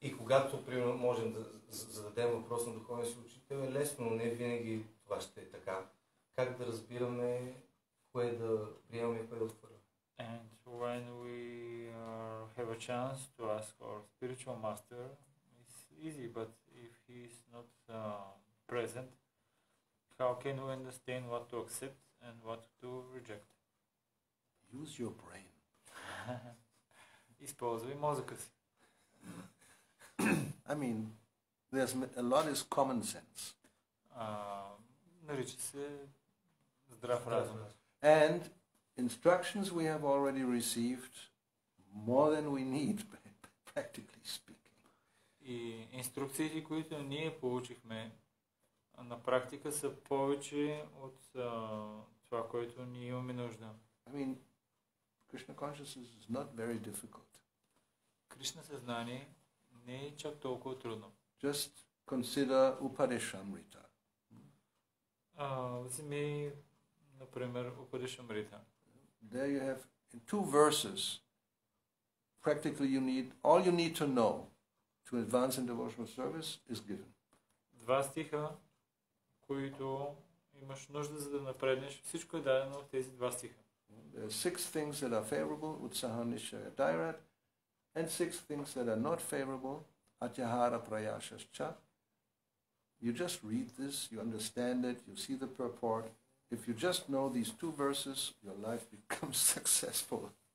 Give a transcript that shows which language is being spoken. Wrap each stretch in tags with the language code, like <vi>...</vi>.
<bg>И когато примерно, можем да зададем въпрос на духовен си учител, е лесно, но не винаги това ще е така. Как да разбираме кое да приемаме и кое да отхвърляме?</bg> <en>And when we have a chance to ask our spiritual master, easy, but if he is not present, how can we understand what to accept and what to reject? Use your brain.</en> <bg>Използвай мозъка си.</bg> <en>I mean, there's a lot is common sense.</en> <bg>Нарича се здрав разум.</bg> <en>And instructions we have already received more than we need, practically speaking.</en> <bg>И инструкциите, които ние получихме, на практика са повече от това, което ние имаме нужда.</bg> <en>I mean, Krishna consciousness is not very difficult.</en> <bg>Кришна съзнание не е чак толкова трудно.</bg> <en>Just consider Upanishamrita.</en> <bg>Вземи, например, Upanishamrita.</bg> <en>There you have in two verses. Practically, you need all you need to know to advance in devotional service is given.</en> <bg>Два стиха, които имаш нужда за да напреднеш, всичко е дадено в тези два стиха.</bg> <en>There are six things that are favorable, utsaha, nishaya, dairat, and six things that are not favorable, atyahara, prayashascha. You just read this, you understand it, you see the purport. If you just know these two verses, your life becomes successful.</en>